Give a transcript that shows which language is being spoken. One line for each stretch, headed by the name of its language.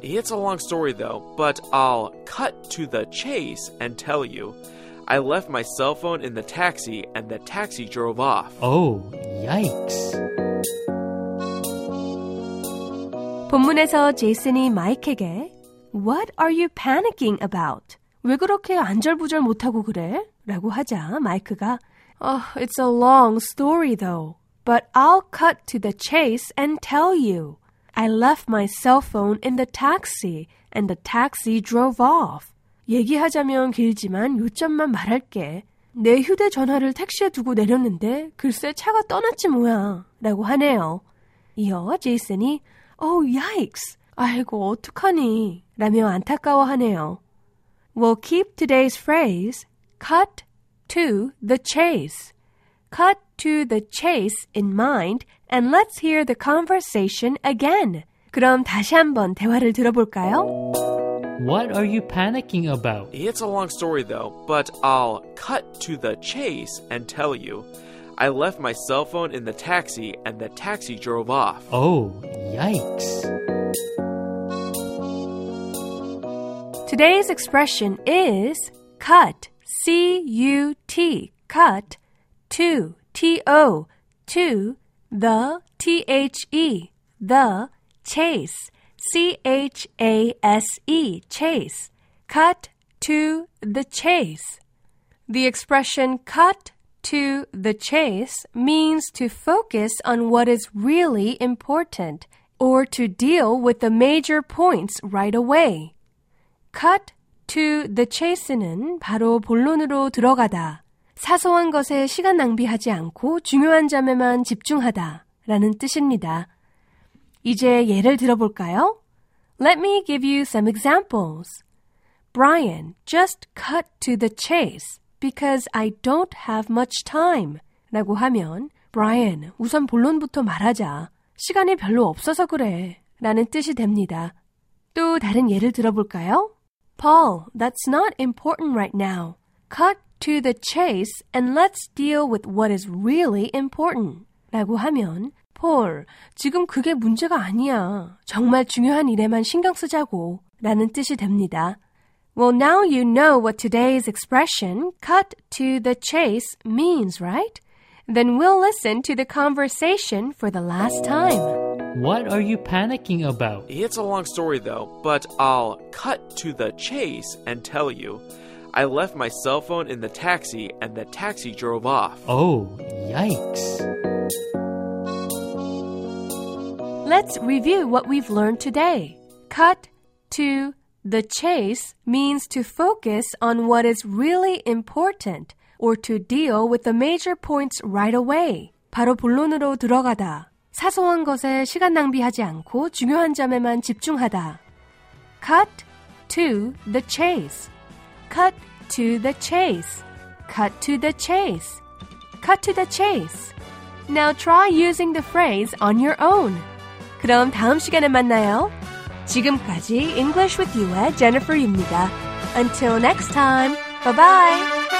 English: It's a long story though, but I'll cut to the chase and tell you. I left my cell phone in the taxi and the taxi drove off. Oh, yikes.
Korean: 본문에서 제이슨이 마이크에게
English: What are you panicking about?
Korean: 왜 그렇게 안절부절 못하고 그래? 라고 하자 마이크가
English: Oh, it's a long story though. But I'll cut to the chase and tell you. I left my cell phone in the taxi and the taxi drove off.
Korean: 얘기하자면 길지만 요점만 말할게. 내 휴대전화를 택시에 두고 내렸는데 글쎄 차가 떠났지 뭐야 라고 하네요. 이어 제이슨이
English: Oh, yikes!
Korean: 아이고 어떡하니 라며 안타까워하네요.
English: We'll keep today's phrase cut to the chase. Cut to the chase in mind and let's hear the conversation again.
Korean: 그럼 다시 한번 대화를 들어볼까요?
English: What are you panicking about? It's a long story though, but I'll cut to the chase and tell you. I left my cell phone in the taxi and the taxi drove off. Oh, yikes. Today's expression is cut, C-U-T, cut, to, T-O, to, the, T-H-E, the, chase. C-H-A-S-E, chase. Cut to the chase. The expression cut to the chase means to focus on what is really important or to deal with the major points right away. Cut to the chase
Korean: 는 바로 본론으로 들어가다, 사소한 것에 시간 낭비하지 않고 중요한 점에만 집중하다 라는 뜻입니다. 이제 예를 들어볼까요?
English: Let me give you some examples. Brian, just cut to the chase because I don't have much time.
Korean: 라고 하면 Brian, 우선 본론부터 말하자. 시간이 별로 없어서 그래. 라는 뜻이 됩니다. 또 다른 예를 들어볼까요?
English: Paul, that's not important right now. Cut to the chase and let's deal with what is really important.
Korean: 라고 하면 폴, 지금 그게 문제가 아니야. 정말 중요한 일에만 신경 쓰자고 라는 뜻이 됩니다.
English: Well, now you know what today's expression cut to the chase means, right? Then we'll listen to the conversation for the last time. What are you panicking about? It's a long story, though, but I'll cut to the chase and tell you. I left my cell phone in the taxi and the taxi drove off. Oh, yikes. Let's review what we've learned today. Cut to the chase means to focus on what is really important or to deal with the major points right away.
Korean: 바로 본론으로 들어가다. 사소한 것에 시간 낭비하지 않고 중요한 점에만 집중하다.
English: Cut to the chase. Cut to the chase. Cut to the chase. Cut to the chase. Now try using the phrase on your own.
Korean: 그럼 다음 시간에 만나요. 지금까지 English with You의 Jennifer입니다.
English: Until next time, bye-bye!